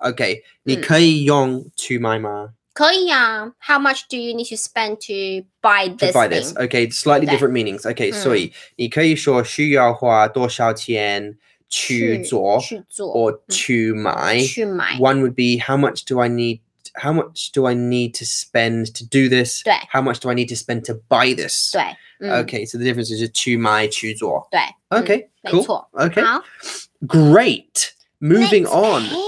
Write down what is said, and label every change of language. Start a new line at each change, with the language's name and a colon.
Chinese: Okay, 你可以用去买吗? 可以啊。
English: How much do you need to spend to buy this to buy this, okay, slightly different meanings.
Chinese: Okay, 所以你可以说需要花多少钱去做, 去做 or 去买。去买。
English: One would be how much do I need to spend to do this? How much do I need to spend to buy this? Okay, so the difference is just 去买去做. Okay, cool. Okay. Great. Moving on.